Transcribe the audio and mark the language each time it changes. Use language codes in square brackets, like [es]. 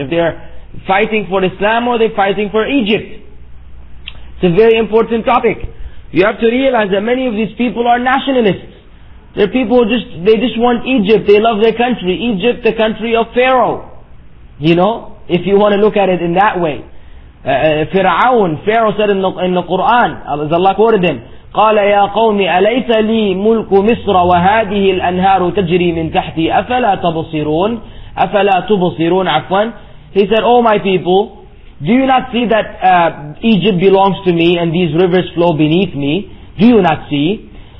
[en] If they are fighting for Islam or they are fighting for Egypt, it's a very important topic. You have to realize that many of these people are nationalists. They're people who just want Egypt. They love their country. Egypt, the country of Pharaoh. You know, if you want to look at it in that way. Fir'aun, Pharaoh said in the Quran, as Allah quoted him, [ar] قَالَ يَا قَوْمِ أَلَيْسَ لِي مُلْكُ مِصْرَ وَهَذِهِ الْأَنْهَارُ تَجْرِي مِنْ تَحْتِي أَفَلَا تَبْصِرُونَ أَفَلَا تُبْصِرُونَ عَفْوًا. [en] He said, oh my people, do you not see that Egypt belongs to me and these rivers flow beneath me? Do you not see?